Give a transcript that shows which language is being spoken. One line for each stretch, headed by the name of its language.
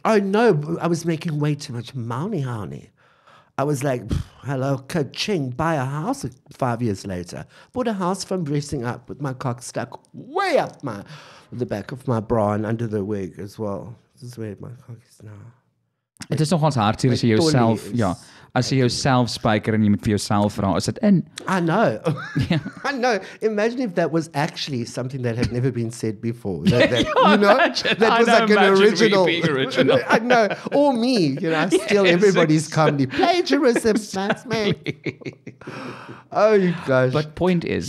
English: Oh, no, I was making way too much money, honey. I was like, hello, ka-ching, buy a house 5 years later. Bought a house from dressing up with my cock stuck way up the back of my bra and under the wig as well. This is where my cock is now.
Afrikaans: Dit is nogal hartseer as jy jouself, ja. As jy jouself spyker en jy moet vir jouself vra, is dit in?
English: I know. I know. Imagine if that was actually something that had never been said before. That was like an original. I know. Or me, you know, yes, steal everybody's comedy. Plagiarism, that's me. Oh, you guys. But point is.